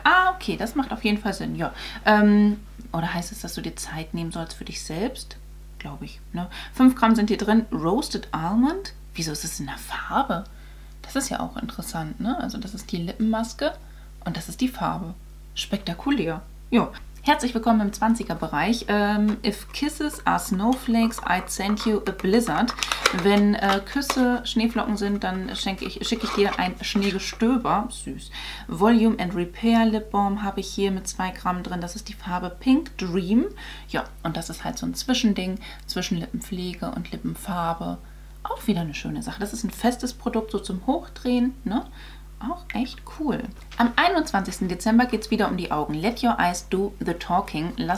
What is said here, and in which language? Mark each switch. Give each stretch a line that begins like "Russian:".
German: Ah, okay, das macht auf jeden Fall Sinn. Ja. Oder heißt es, dass du dir Zeit nehmen sollst für dich selbst? Glaube ich. Ne? 5 Gramm sind hier drin. Roasted Almond. Wieso ist es in der Farbe? Das ist ja auch interessant. Ne? Also das ist die Lippenmaske und das ist die Farbe. Spektakulär. Ja. Herzlich willkommen im 20er-Bereich.
English: If kisses are snowflakes, I'd send you a blizzard.
German: Wenn Küsse Schneeflocken sind, dann schicke ich dir ein Schneegestöber. Süß. Volume and Repair Lip Balm habe ich hier mit 2 Gramm drin. Das ist die Farbe Pink Dream. Ja, und das ist halt so ein Zwischending zwischen Lippenpflege und Lippenfarbe. Auch wieder eine schöne Sache. Das ist ein festes Produkt, so zum Hochdrehen, ne? Auch echt cool. Am 21. Dezember geht es wieder um die Augen.
English: Let your eyes do the talking.